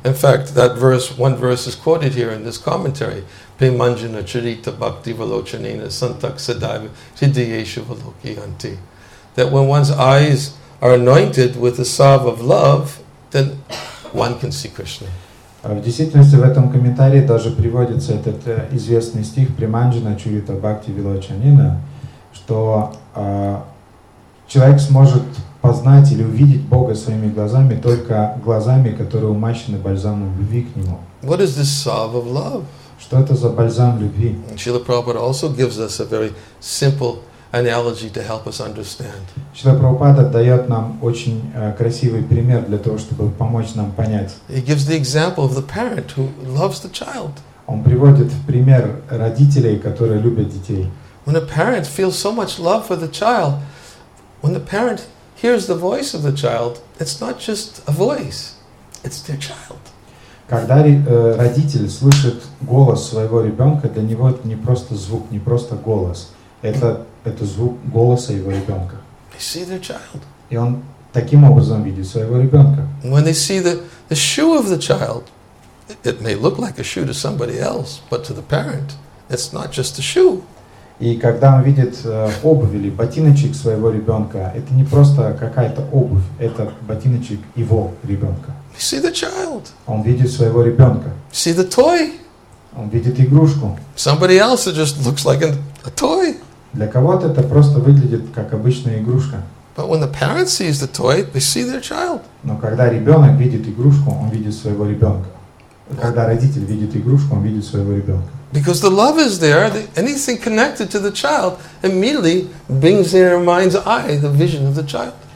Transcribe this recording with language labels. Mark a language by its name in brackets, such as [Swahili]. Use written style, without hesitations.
[English] In fact, that verse, one verse is quoted here in this commentary. [Sanskrit] Pimanjana charita bhakti valochanena santak sadaiva siddhyeshu valokiyanti. [English] That when one's eyes are anointed with the salve of love, then one can see Krishna. [Russian] В действительности в этом комментарии даже приводится этот известный стих [Sanskrit] Приманджина Чурита Бхакти Вилочанина, [Russian] что человек сможет познать или увидеть Бога своими глазами только глазами, которые умащены бальзамом любви к Нему. [English] What is this salve of love? [Russian] Что это за бальзам любви? [English] Srila Prabhupada also gives us a very simple analogy to help us understand. [Russian] Шрила Прабхупада дает нам очень красивый пример для того, чтобы помочь нам понять. [English] He gives the example of the parent who loves the child. [Russian] Он приводит пример родителей, которые любят детей. [English] When a parent feels so much love for the child, when the parent hears the voice of the child, it's not just a voice, it's their child. [Russian] Когда родитель слышит голос своего ребенка, для него это не просто звук, не просто голос. Это звук голоса его ребенка. [English] They see their child. [Russian] И он таким образом видит своего ребенка. [English] When they see the shoe of the child, it may look like a shoe to somebody else, but to the parent, it's not just a shoe. [Russian] И когда он видит обувь или ботиночек своего ребенка, это не просто какая-то обувь, это ботиночек его ребенка. [English] They see the child. [Russian] Он видит своего ребенка. [English] See the toy. [Russian] Он видит игрушку. [English] Somebody else, it just looks like a toy. [Russian] Для кого-то это просто выглядит как обычная игрушка. [English] But when the parent sees the toy, they see their child. [Russian] Но когда ребенок видит игрушку, он видит своего ребенка. Когда родитель видит игрушку, он видит своего ребенка. [English] Because the love is there, anything connected to the child immediately brings in their mind's eye the vision of the child.